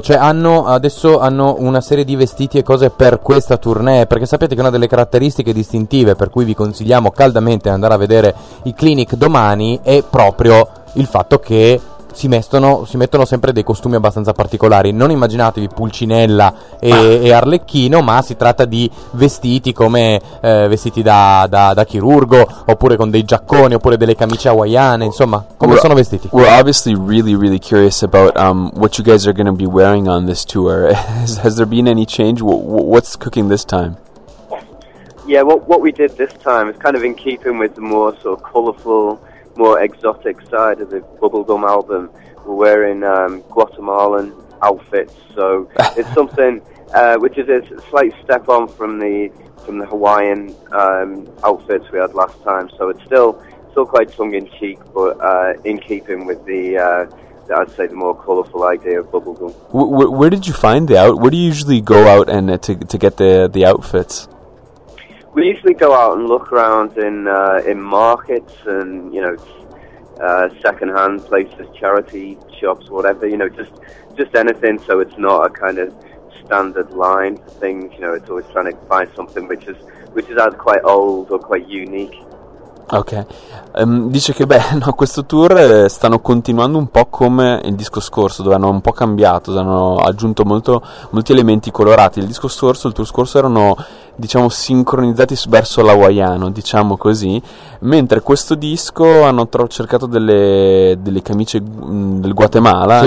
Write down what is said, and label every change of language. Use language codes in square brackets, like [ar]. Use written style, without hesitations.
[it] Cioè, adesso hanno una serie di vestiti e cose per questa tournée, perché sapete che una delle caratteristiche distintive per cui vi consigliamo caldamente di andare a vedere i Clinic domani è proprio il fatto che si mettono sempre dei costumi abbastanza particolari. Non immaginatevi Pulcinella e Arlecchino, ma si tratta di vestiti come vestiti da chirurgo, oppure con dei giacconi, oppure delle camicie hawaiane, insomma, come sono vestiti. [en] We're obviously really, really curious about what you guys are going to be wearing on this tour. Has there been any change? What's cooking this time? Yeah, what we did this time is kind of in keeping with the more sort of colorful, more exotic side of the Bubblegum album. We're wearing Guatemalan outfits, so it's something which is a slight step on from the Hawaiian outfits we had last time. So it's still quite tongue-in-cheek, but in keeping with the I'd say the more colorful idea of Bubblegum. Where did you find the out? Where do you usually go out and to get the outfits? We usually go out and look around in markets and, you know, second-hand places, charity shops, whatever, you know, just anything, so it's not a kind of standard line for things, you know. It's always trying to find something which is either quite old or quite unique. [it] Ok, dice che no, questo tour stanno continuando un po' come il disco scorso, dove hanno un po' cambiato, hanno aggiunto molti elementi colorati. Il disco scorso, il tour scorso erano, diciamo, sincronizzati verso l'hawaiano, diciamo così, mentre questo disco hanno cercato delle camicie del Guatemala, sì.